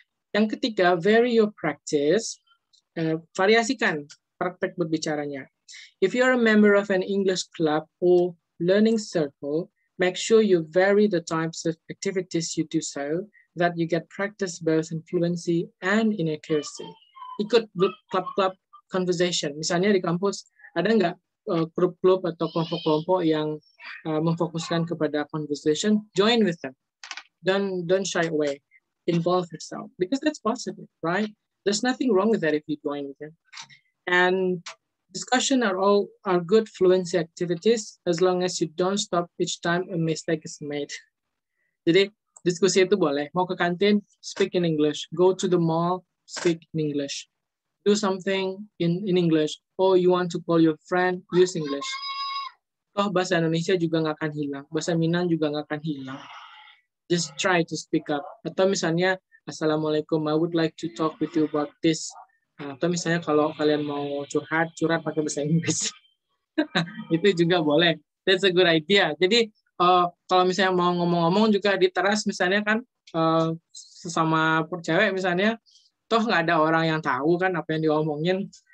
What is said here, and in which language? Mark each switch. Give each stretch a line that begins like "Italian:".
Indonesian: Yang ketiga,
English: vary your practice,
Indonesian: variasikan praktek berbicaranya.
English: If you are a member of an English club or learning circle, make sure you vary the types of activities you do so that you get practice both in fluency and in accuracy.
Indonesian: Ikut club-club conversation. Misalnya di kampus, ada nggak grup-grup atau kelompok-kelompok yang memfokuskan kepada conversation?
English: Join with them. Don't shy away. Involve yourself. Because that's positive, right? There's nothing wrong with that if you join with them. And discussion are good fluency activities as long as you don't stop each time a mistake is made.
Indonesian: Jadi diskusi itu boleh. Mau ke kantin,
English: speak in English. Go to the mall, speak in English. Do something in English. Or you want to call your friend, use English.
Indonesian: Toh bahasa Indonesia juga nggak akan hilang. Bahasa Minang juga nggak akan hilang.
English: Just try to speak up.
Indonesian: Atau misalnya,
English: Assalamualaikum, I would like to talk with you about this.
Indonesian: Atau misalnya kalau kalian mau curhat pakai bahasa Inggris. Itu juga boleh.
English: That's a good idea.
Indonesian: Jadi kalau misalnya mau ngomong-ngomong juga di teras misalnya kan, sesama cewek misalnya, toh nggak ada orang yang tahu kan apa yang diomongin.